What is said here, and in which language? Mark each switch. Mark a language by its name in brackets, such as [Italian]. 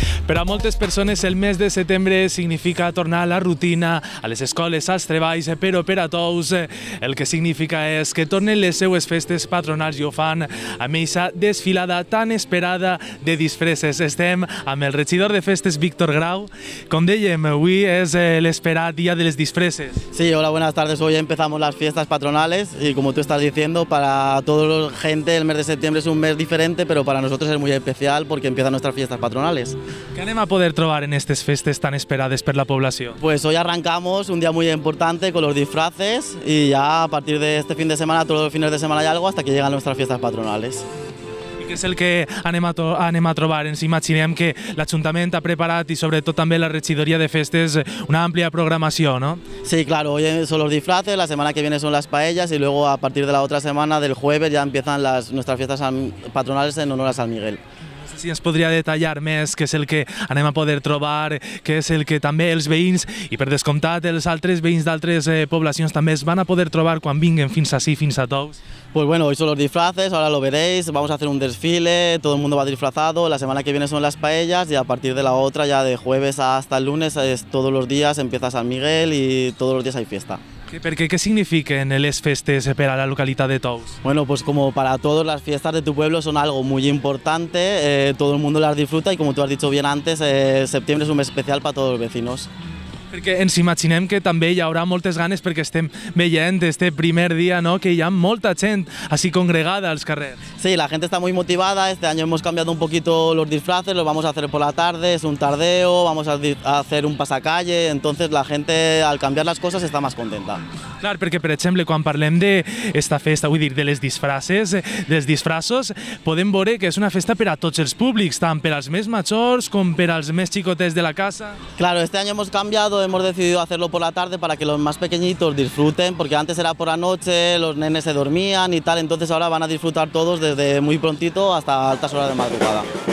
[Catalan] Per a moltes persones el mes de setembre significa tornar a la rutina, a les escoles, als treballs, però per a tots el que significa és que tornen les seues festes patronals i ho fan amb aquesta desfilada tan esperada de disfresses. Estem amb el regidor de festes, Víctor Grau. Com dèiem, avui és l'esperat dia de les disfresses. [Spanish] Sí, hola, buenas tardes. Hoy empezamos las fiestas patronales y como tú estás diciendo, para toda la gente el mes de septiembre es un mes diferente, pero para nosotros es muy especial porque empiezan nuestras fiestas patronales. ¿Qué [Catalan] anem a poder trobar [Spanish] en estas festes tan esperadas por la población? Pues hoy arrancamos un día muy importante con los disfraces y ya a partir de este fin de semana, todos los fines de semana hay algo hasta que llegan nuestras fiestas patronales. ¿Y qué es el que [Catalan] anem a trobar? Ens imaginem que l'Ajuntament ha preparat [Spanish] y sobre todo también [Catalan] la regidoria de festes [Spanish] una amplia programación, ¿no? Sí, claro, hoy son los disfraces, la semana que viene son las paellas y luego a partir de la otra semana, del jueves, ya empiezan nuestras fiestas patronales en honor a San Miguel. [Catalan] Si ens podria detallar més què és el que anem a poder trobar, què és el que també els veïns i per descomptat els altres veïns d'altres poblacions també es van a poder trobar quan vinguen fins ací, fins a Tous. [Spanish] Pues bueno, hoy son los disfraces, ahora lo veréis, vamos a hacer un desfile, todo el mundo va disfrazado, la semana que viene son las paellas y a partir de la otra, ya de jueves hasta el lunes, todos los días empieza San Miguel y todos los días hay fiesta. [Catalan] Perquè què signifiquen les festes per a la localitat de Tous? [Spanish] Bueno, pues como para todos las fiestas de tu pueblo son algo muy importante, todo el mundo las disfruta y como tú has dicho bien antes, septiembre es un mes especial para todos los vecinos. [Catalan] Perquè ens imaginem que també hi haurà moltes ganes perquè estem veient este primer dia, no?, que hi ha molta gent així congregada als carrers. [Spanish] Sí, la gente está muy motivada, este año hemos cambiado un poquito los disfraces, los vamos a hacer por la tarde, es un tardeo, vamos a hacer un pasacalle, entonces la gente al cambiar las cosas está más contenta. [Catalan] Clar, perquè per exemple quan parlem d'esta festa, vull dir, de les disfraces, dels disfraços, podem veure que és una festa per a tots els públics, tant per als més majors com per als més xicotets de la casa. [Spanish] Claro, este año hemos cambiado, hemos decidido hacerlo por la tarde para que los más pequeñitos disfruten, porque antes era por la noche, los nenes se dormían y tal, entonces ahora van a disfrutar todos desde muy prontito hasta altas horas de madrugada.